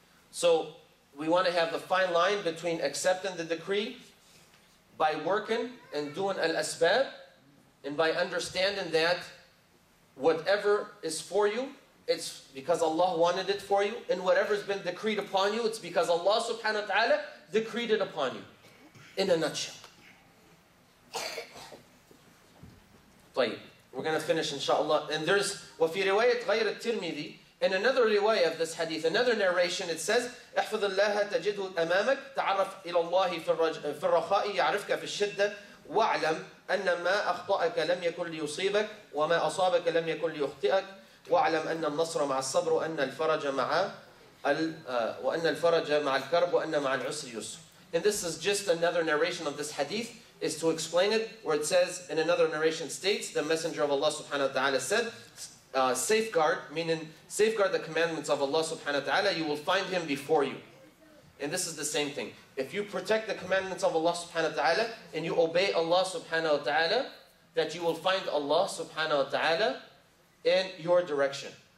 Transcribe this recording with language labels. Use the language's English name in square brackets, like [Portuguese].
[English] So we want to have the fine line between accepting the decree by working and doing al-asbab and by understanding that whatever is for you, it's because Allah wanted it for you, and whatever has been decreed upon you, it's because Allah subhanahu wa ta'ala decreed it upon you. In a nutshell. [Arabic] طيب. [English] We're going to finish inshallah. And there's [Arabic] وَفِي رِوَيَةِ غَيْرَ التِّرْمِذِي. [English] In another riwayah of this hadith, another narration, it says, [Arabic] احفظ الله تجده أمامك تعرف إلى الله في الرخاء يعرفك في الشدة واعلم أن ما أخطأك لم يكن ليصيبك وما أصابك لم يكن ليخطئك واعلم أن النصر مع الصبر وأن الفرج مع وأن الفرج مع الكرب وأن مع العسر يسر. [English] And this is just another narration of this hadith, is to explain it, where it says, in another narration states, the Messenger of Allah subhanahu wa ta'ala said, safeguard, meaning safeguard the commandments of Allah subhanahu wa ta'ala, you will find him before you. And this is the same thing. If you protect the commandments of Allah subhanahu wa ta'ala, and you obey Allah subhanahu wa ta'ala, that you will find Allah subhanahu wa ta'ala in your direction.